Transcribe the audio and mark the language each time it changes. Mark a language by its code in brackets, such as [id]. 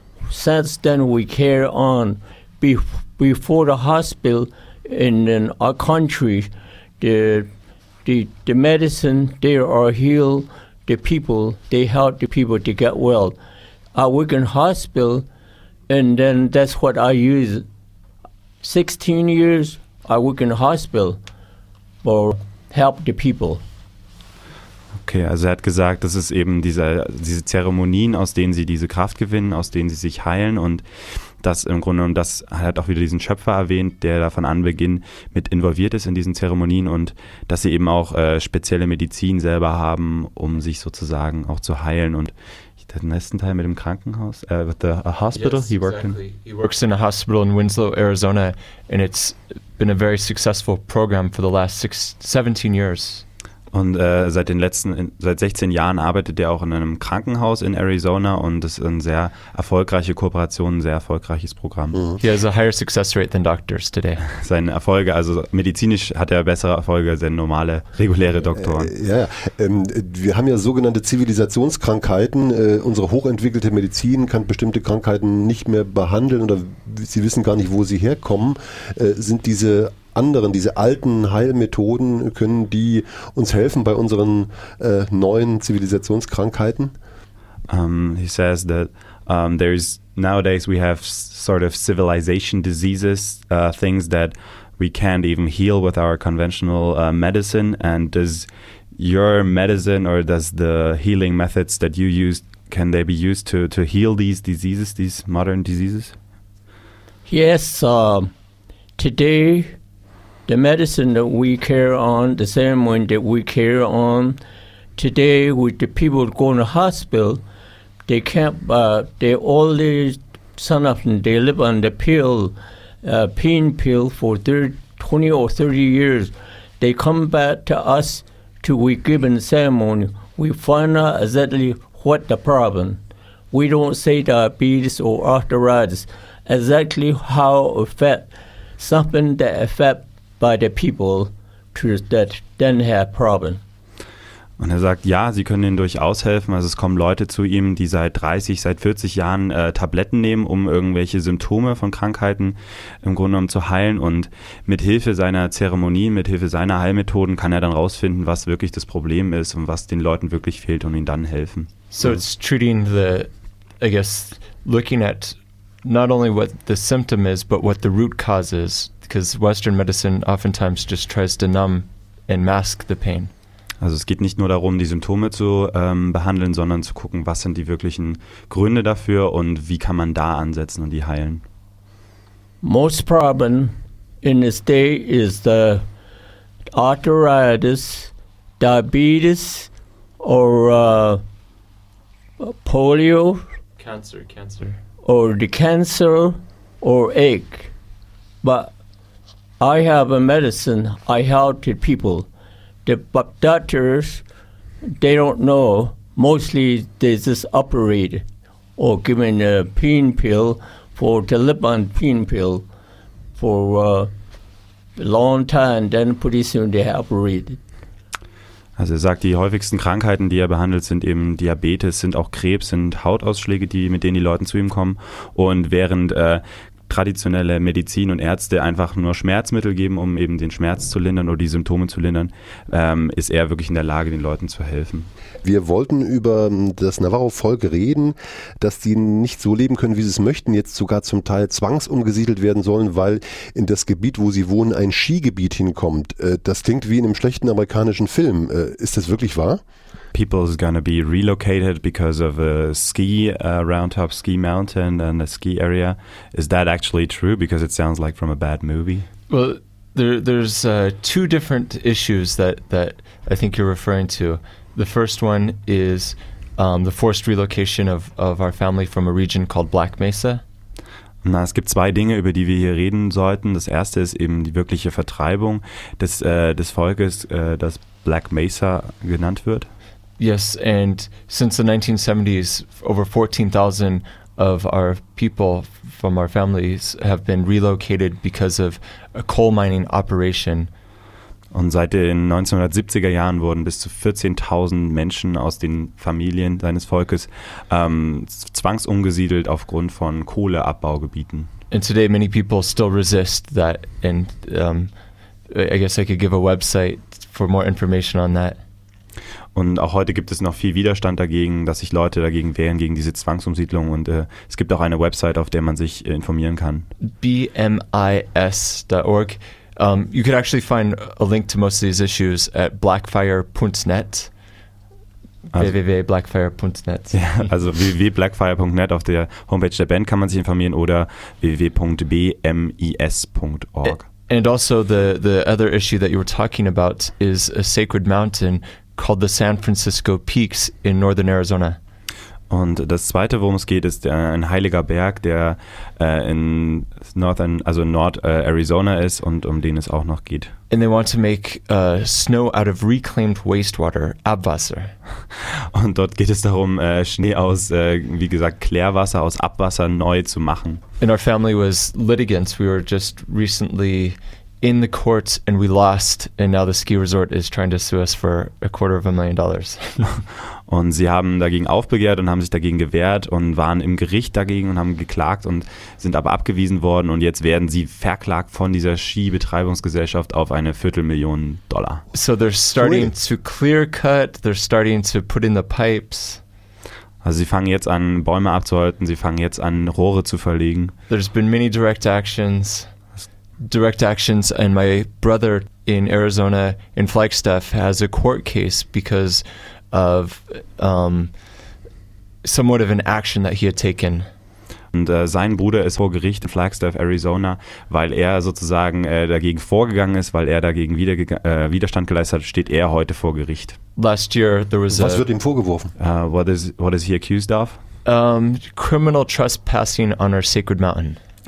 [en] Since then, we carry on. Before the hospital in our country, the medicine, they are heal the people, they help the people to get well. I work in hospital, and then that's what I use. 16 years I work in a hospital for help the people. [de] Okay, also er hat gesagt, das ist eben diese Zeremonien, aus denen sie diese Kraft gewinnen, aus denen sie sich heilen, und das im Grunde, und das hat auch wieder diesen Schöpfer erwähnt, der da von Anbeginn mit involviert ist in diesen Zeremonien, und dass sie eben auch spezielle Medizin selber haben, um sich sozusagen auch zu heilen. Und den letzten Teil mit dem Krankenhaus, [en] with the hospital, yes, he worked exactly. In? He works in a hospital in Winslow, Arizona, and it's been a very successful program for the last 17 years. [de] Und seit 16 Jahren arbeitet er auch in einem Krankenhaus in Arizona, und es ist eine sehr erfolgreiche Kooperation, ein sehr erfolgreiches Programm. Mm-hmm. [en] He has a higher success rate than doctors today. [de] Seine Erfolge, also medizinisch hat er bessere Erfolge als normale, reguläre Doktoren. Wir haben ja sogenannte Zivilisationskrankheiten. Unsere hochentwickelte Medizin kann bestimmte Krankheiten nicht mehr behandeln, oder sie wissen gar nicht, wo sie herkommen. Sind diese anderen, diese alten Heilmethoden, können die uns helfen bei unseren neuen Zivilisationskrankheiten? [en] He says that nowadays we have sort of civilization diseases, things that we can't even heal with our conventional medicine. And does your medicine, or does the healing methods that you use, can they be used to heal these diseases, these modern diseases? Yes, today the medicine that we carry on, the ceremony that we carry on today with the people going to hospital, they can't, they all some of them, they live on the pill, pain pill for 20 or 30 years. They come back to us to we give in the ceremony. We find out exactly what the problem. We don't say diabetes or arthritis, exactly how affect something that affect by the people that then have problem. [de] Und er sagt, ja, sie können ihnen durchaus helfen. Also es kommen Leute zu ihm, die seit 30, seit 40 Jahren Tabletten nehmen, um irgendwelche Symptome von Krankheiten im Grunde genommen zu heilen. Und mit Hilfe seiner Zeremonien, mit Hilfe seiner Heilmethoden kann er dann rausfinden, was wirklich das Problem ist und was den Leuten wirklich fehlt, und ihnen dann helfen. [en] So it's treating the, I guess, looking at not only what the symptom is, but what the root cause is. Because Western medicine oftentimes just tries to numb and mask the pain. [de] Also es geht nicht nur darum, die Symptome zu behandeln, sondern zu gucken, was sind die wirklichen Gründe dafür und wie kann man da ansetzen und die heilen. [en] Most problem in this day is the arthritis, diabetes, or polio. Cancer. Or the cancer or ache. But I have a medicine, I help the people. The doctors, they don't know. Mostly they just operate or given a pain pill for the lip on pain pill. for a long time, then pretty soon they are operated. [de] Also er sagt, die häufigsten Krankheiten, die er behandelt, sind eben Diabetes, sind auch Krebs, sind Hautausschläge, die, mit denen die Leute zu ihm kommen. Und während traditionelle Medizin und Ärzte einfach nur Schmerzmittel geben, um eben den Schmerz zu lindern oder die Symptome zu lindern, ist er wirklich in der Lage, den Leuten zu helfen. Wir wollten über das Navajo-Volk reden, dass die nicht so leben können, wie sie es möchten, jetzt sogar zum Teil zwangsumgesiedelt werden sollen, weil in das Gebiet, wo sie wohnen, ein Skigebiet hinkommt. Das klingt wie in einem schlechten amerikanischen Film. Ist das wirklich wahr? [en] People is going to be relocated because of a ski, Round Top Ski Mountain and a ski area. Is that actually true? Because it sounds like from a bad movie. Well, there's two different issues that I think you're referring to. The first one is the forced relocation of our family from a region called Black Mesa. [de] Na, es gibt zwei Dinge, über die wir hier reden sollten. Das erste ist eben die wirkliche Vertreibung des Volkes, das Black Mesa genannt wird. [en] Yes, and since the 1970s, over 14,000 of our people from our families have been relocated because of a coal mining operation. [de] Und seit den 1970er Jahren wurden bis zu 14,000 Menschen aus den Familien seines Volkes zwangsumgesiedelt aufgrund von Kohleabbaugebieten. [en] And today many people still resist that, and I guess I could give a website for more information on that. [de] Und auch heute gibt es noch viel Widerstand dagegen, dass sich Leute dagegen wehren, gegen diese Zwangsumsiedlung. Und es gibt auch eine Website, auf der man sich informieren kann. [en] BMIS.org. You could actually find a link to most of these issues at blackfire.net. Also, www.blackfire.net. [de] Ja, also www.blackfire.net, auf der Homepage der Band kann man sich informieren, oder www.bmis.org. [en] And also the other issue that you were talking about is a sacred mountain called the San Francisco Peaks in northern Arizona. [de] Und das zweite, worum es geht, ist ein heiliger Berg, der in North Arizona ist und um den es auch noch geht. [en] And they want to make snow out of reclaimed wastewater, Abwasser. [de] Und dort geht es darum, Schnee aus, wie gesagt, Klärwasser, aus Abwasser neu zu machen. [en] And our family was litigants. We were just recently in the courts and we lost, and now the ski resort is trying to sue us for $250,000. [de] Und sie haben dagegen aufbegehrt und haben sich dagegen gewehrt und waren im Gericht dagegen und haben geklagt und sind aber abgewiesen worden, und jetzt werden sie verklagt von dieser Skibetreibungsgesellschaft auf eine $250,000. [en] So they're starting to clear cut, they're starting to put in the pipes. [de] Also sie fangen jetzt an, Bäume abzuhalten, sie fangen jetzt an, Rohre zu verlegen. [en] There's been many direct actions. Direct actions, and my brother in Arizona, in Flagstaff, has a court case because of somewhat of an action that he had taken. [de] Und sein Bruder ist vor Gericht in Flagstaff, Arizona, weil er sozusagen dagegen vorgegangen ist, weil er dagegen Widerstand geleistet hat, steht er heute vor Gericht. [en] Last year there was [de] Was wird ihm vorgeworfen? [en] What is he accused of? Criminal trespassing on our sacred mountain.